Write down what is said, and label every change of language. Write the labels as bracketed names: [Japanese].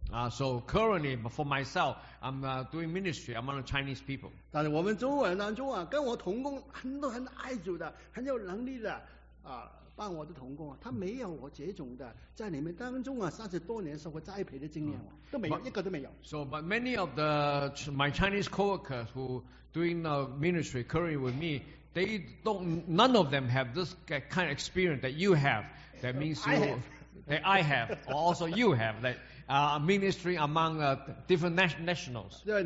[English] So currently, for myself, I'm doing ministry among Chinese people. [Chinese] 但是我们中文当中啊，跟我同工很多很爱主的，很有能力的，啊，办我的同工啊，他没有我这种的，在你们当中啊，30多年社会栽培的经验啊，都没有一个都没有。So, [English] but many of the my Chinese coworkers who doing the ministry currently with me, they don't. None of them have this kind of experience that you have. That means you. That I have, or also you have, that ministry among different nationals.